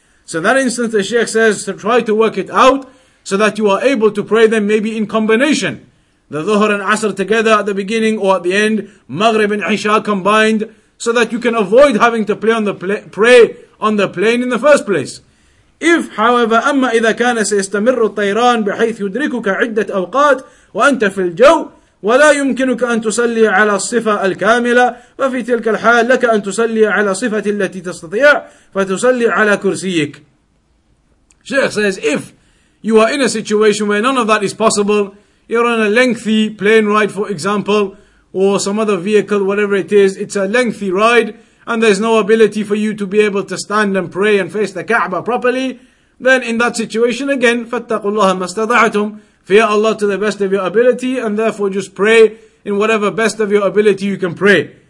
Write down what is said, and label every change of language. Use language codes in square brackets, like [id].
[en] So in that instance, the Shaykh says to try to work it out, so that you are able to pray them maybe in combination. The Dhuhr and Asr together at the beginning or at the end, Maghrib and Isha combined, so that you can avoid having to pray on the plane in the first place. If, however, [ar] أما إذا كان سيستمر الطيران بحيث يدركك عدة أوقات وأنت في الجو ولا يمكنك أن تصلي على الصفة الكاملة ففي تلك الحال لك أن تصلي على صفة التي تستطيع فتصلي على كرسيك. [en] Sheikh says, if you are in a situation where none of that is possible, you're on a lengthy plane ride, for example, or some other vehicle, whatever it is, it's a lengthy ride, and there's no ability for you to be able to stand and pray and face the Kaaba properly, then in that situation again, [ar] فَاتَّقُوا اللَّهَ مَا اسْتَطَعْتُمْ, [en] fear Allah to the best of your ability, and therefore just pray in whatever best of your ability you can pray.